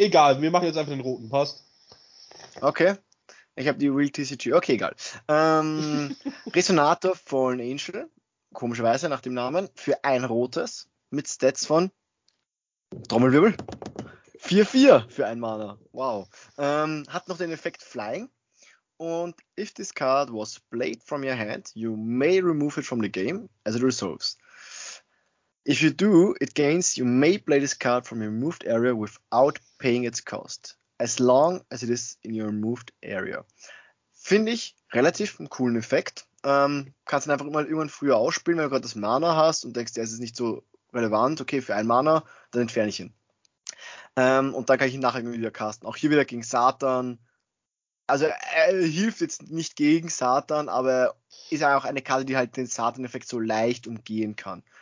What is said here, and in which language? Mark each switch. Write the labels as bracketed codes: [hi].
[de] Egal, wir machen jetzt einfach den roten. Passt. Okay, ich habe die Real TCG, okay, egal. Resonator Fallen Angel, komischerweise nach dem Namen, für ein rotes, mit Stats von, Trommelwirbel, 4-4 für ein Mana, wow. Hat noch den Effekt Flying, und [en] if this card was played from your hand, you may remove it from the game as it resolves. If you do, it gains, you may play this card from your removed area without paying its cost. As long as it is in your removed area. [de] Finde ich relativ einen coolen Effekt. Kannst du einfach irgendwann früher ausspielen, wenn du gerade das Mana hast und denkst, der ist nicht so relevant. Okay, für ein Mana, dann entferne ich ihn. Und dann kann ich ihn nachher irgendwie wieder casten. Auch hier wieder gegen Satan. Also er hilft jetzt nicht gegen Satan, aber ist auch eine Karte, die halt den Satan-Effekt so leicht umgehen kann.